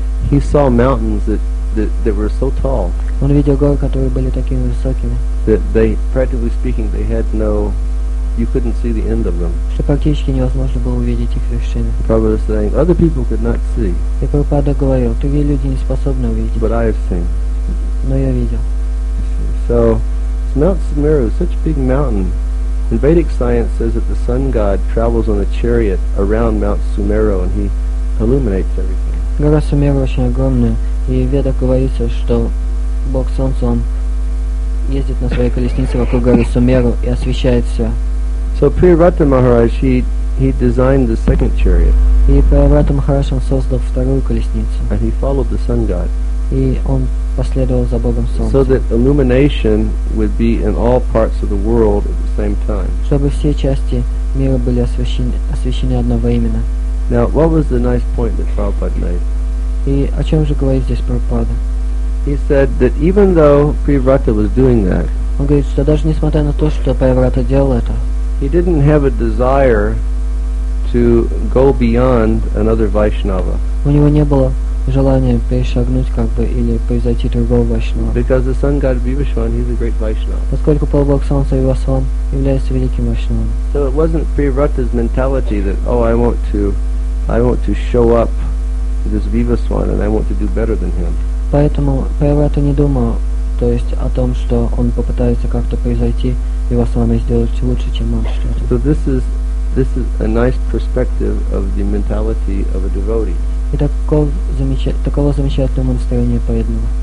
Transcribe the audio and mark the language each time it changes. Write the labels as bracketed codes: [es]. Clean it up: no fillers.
[en] he saw mountains that were so tall. [ru] Он видел горы, которые были такими высокими. [en] That they, practically speaking, they had no, you couldn't see the end of them. [ru] Что практически невозможно было увидеть их вершины. [en] Prabhupada was saying, other people could not see. [ru] И Прабхупада говорил, другие люди не способны увидеть. [en] But I have seen. [ru] Но я видел. [en] So, Mount Sumeru is such a big mountain. And Vedic science says that the sun god travels on a chariot around Mount Sumeru and he illuminates everything. [ru] Гора Сумеру очень огромная, и в ведах говорится, что бог солнца, он ездит на своей колеснице вокруг горы Сумеру и освещает все. [en] So Priyavrata Maharaj, he designed the second chariot. [ru] И Priyavrata Maharaj, он создал вторую колесницу. [en] And he followed the sun god. [ru] И он последовал за богом солнца. [en] So that illumination would be in all parts of the world at the same time. [ru] Чтобы все части мира были освещены одновременно. [en] Now, what was the nice point that Prabhupada made? [ru] И о чем же говорит здесь Прабхупада? [en] He said that even though Priyavrata was doing that, [ru] он говорит, что даже несмотря на то, что Priyavrata делал это, [en] he didn't have a desire to go beyond another Vaishnava. [ru] У него не было желание перешагнуть как бы или произойти другого вайшнава. [en] Because the sun god Vibhishan, he's a great Vaishnava. [ru] Поскольку полубог солнца Вибхишан является великим вайшнавом. [en] So it wasn't Priyavrata's mentality that, oh, I want to show up this Vibhishan and I want to do better than him. [ru] Поэтому Priyavrata не думал, то есть о том, что он попытается как-то произойти Вибхишан и сделать лучше, чем он что-то. [en] So this is a nice perspective of the mentality of a devotee. [ru] И такого замечательного настроения преданного.